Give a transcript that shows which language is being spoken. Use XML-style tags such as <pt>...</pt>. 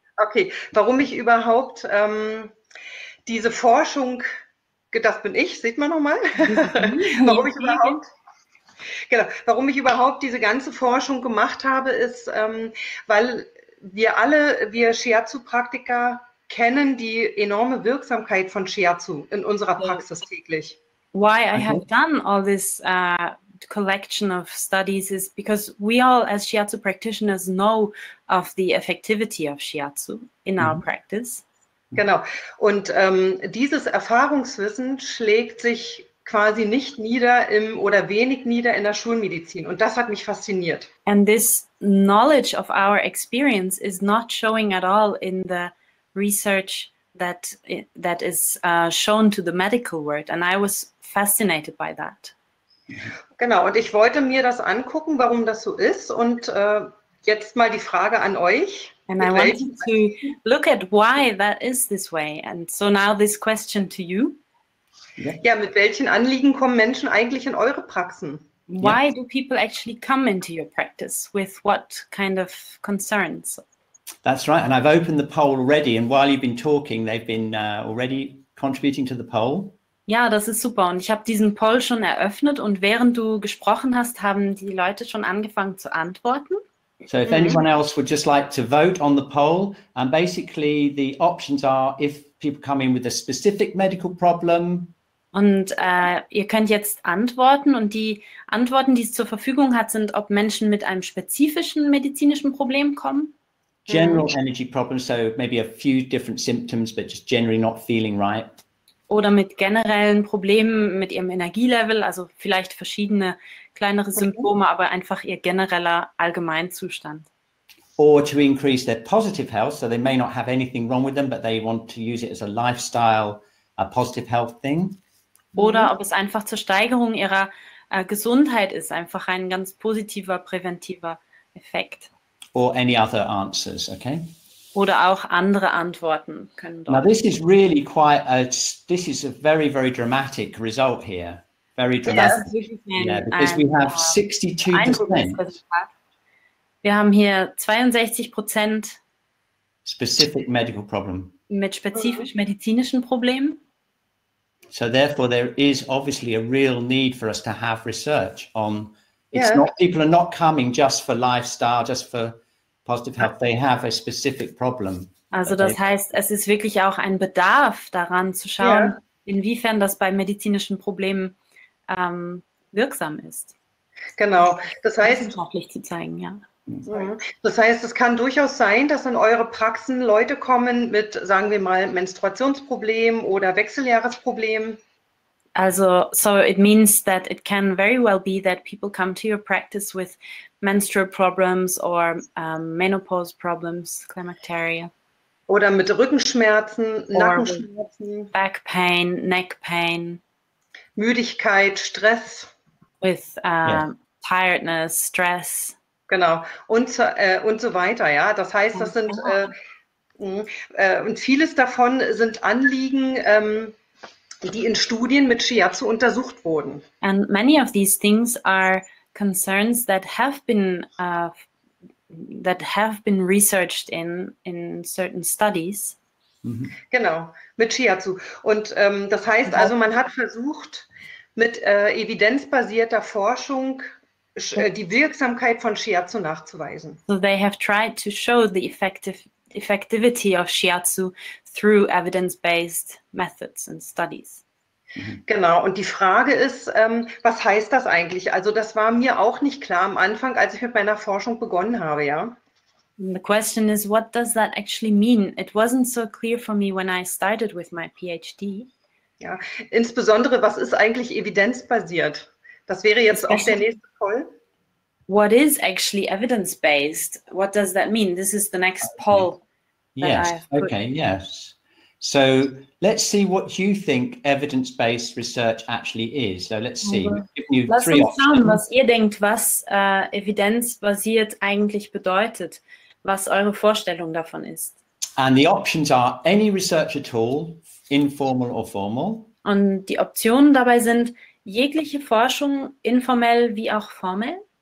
<de>Okay, warum ich überhaupt diese Forschung, das bin ich, sieht man nochmal, warum ich überhaupt... Genau. Warum ich überhaupt diese ganze Forschung gemacht habe, ist, weil wir alle, wir Shiatsu-Praktiker, kennen die enorme Wirksamkeit von Shiatsu in unserer Praxis täglich.</de> <en>Why I have done all this collection of studies is because we all as Shiatsu practitioners know of the effectivity of Shiatsu in our practice.</en> <de>Genau. Und dieses Erfahrungswissen schlägt sich quasi nicht nieder im oder wenig nieder in der Schulmedizin. Und das hat mich fasziniert.</de> <en>And this knowledge of our experience is not showing at all in the research that is shown to the medical world. And I was fascinated by that.</en> <de>Genau, und ich wollte mir das angucken, warum das so ist. Und jetzt mal die Frage an euch.</de> <en>And I wanted to look at why that is this way. And so now this question to you.</en> <de>Ja, mit welchen Anliegen kommen Menschen eigentlich in eure Praxen?</de> <en>Why do people actually come into your practice? With what kind of concerns? That's right. And I've opened the poll already. And while you've been talking, they've been already contributing to the poll.</en> <de>Ja, das ist super. Und ich habe diesen Poll schon eröffnet. Und während du gesprochen hast, haben die Leute schon angefangen zu antworten.</de> <en>So if anyone else would just like to vote on the poll, and basically the options are if people come in with a specific medical problem.</en> <de>Und ihr könnt jetzt antworten und die Antworten, die es zur Verfügung hat, sind, ob Menschen mit einem spezifischen medizinischen Problem kommen.</de> <en>General energy problems, so maybe a few different symptoms, but just generally not feeling right.</en> <de>Oder mit generellen Problemen mit ihrem Energielevel, also vielleicht verschiedene kleinere Symptome, aber einfach ihr genereller Allgemeinzustand.</de> <en>Or to increase their positive health, so they may not have anything wrong with them, but they want to use it as a lifestyle, a positive health thing.</en> <de>Oder ob es einfach zur Steigerung ihrer Gesundheit ist, einfach ein ganz positiver, präventiver Effekt.</de> <en>Or any other answers, okay?</en> <de>Oder auch andere Antworten können dort.</de> <en>Now this is really quite a, this is a very, very dramatic result here. Very dramatic. Ja, yeah, because we have 62%.</en> <de>Wir haben hier 62%</de> <en>specific medical problem.</en> <de>Mit spezifisch medizinischen Problemen.</de> <en>So therefore there is obviously a real need for us to have research on, it's not, people are not coming just for lifestyle, just for positive health, they have a specific problem.</en> <de>Also das heißt, es ist wirklich auch ein Bedarf daran zu schauen, inwiefern das bei medizinischen Problemen wirksam ist. Genau. Das heißt, wissenschaftlich zu zeigen, ja. Das heißt, es kann durchaus sein, dass in eure Praxen Leute kommen mit, sagen wir mal, Menstruationsproblem oder Wechseljahresproblem.</de> <en>Also, so it means that it can very well be that people come to your practice with menstrual problems or menopause problems, climacteria.</en> <de>Oder mit Rückenschmerzen, Nackenschmerzen.</de> <en>Back pain, neck pain.</en> <de>Müdigkeit, Stress.</de> <en>With tiredness, stress.</en> <de>Genau, und so weiter, ja. Das heißt, das sind, und vieles davon sind Anliegen, die in Studien mit Shiatsu untersucht wurden.</de> <en>And many of these things are concerns that have been researched in certain studies.</en> <de>Mm-hmm. Genau, mit Shiatsu. Und das heißt also, man hat versucht, mit evidenzbasierter Forschung die Wirksamkeit von Shiatsu nachzuweisen.</de> <en>So they have tried to show the effectivity of Shiatsu through evidence-based methods and studies.</en> <de>Genau, und die Frage ist, was heißt das eigentlich? Also das war mir auch nicht klar am Anfang, als ich mit meiner Forschung begonnen habe, ja?</de> <en>And the question is, what does that actually mean? It wasn't so clear for me when I started with my PhD.</en> <de>Ja, insbesondere, was ist eigentlich evidenzbasiert? Das wäre jetzt auch der nächste Poll.</de> <en>What is actually evidence-based? What does that mean? This is the next poll. Yes, okay, yes. So let's see what you think evidence-based research actually is. So let's see.</en> <de>Lass uns schauen, was ihr denkt, was evidenzbasiert eigentlich bedeutet, was eure Vorstellung davon ist.</de> <en>And the options are any research at all, informal or formal.</en> <de>Und die Optionen dabei sind jegliche Forschung, informell wie auch formell.</de>